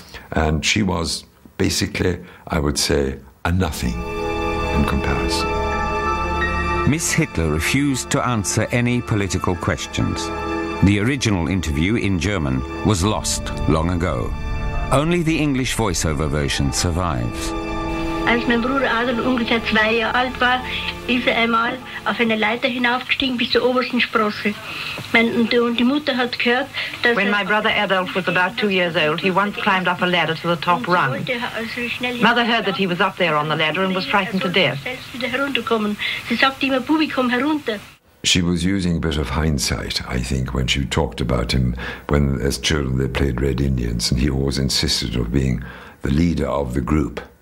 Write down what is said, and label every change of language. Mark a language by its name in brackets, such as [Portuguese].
[English] And she was basically, I would say, a nothing in comparison. Miss Hitler refused to answer any political questions. The original interview in German was lost long ago. Only the English voiceover version survives. [German] Als mein Bruder Adolf ungefähr 2 Jahre alt war, ist er einmal auf eine Leiter hinaufgestiegen bis zur obersten Sprosse. Und die Mutter hat gehört, dass... [English] When my brother Adolf was about 2 years old, he once climbed up a ladder to the top rung. Mother heard that he was up there on the ladder and was frightened to death. [German] Sie sagte immer, Bubi, komm herunter. [English] She was using a bit of hindsight, I think, when she talked about him when, as children, they played Red Indians, and he always insisted on being the leader of the group.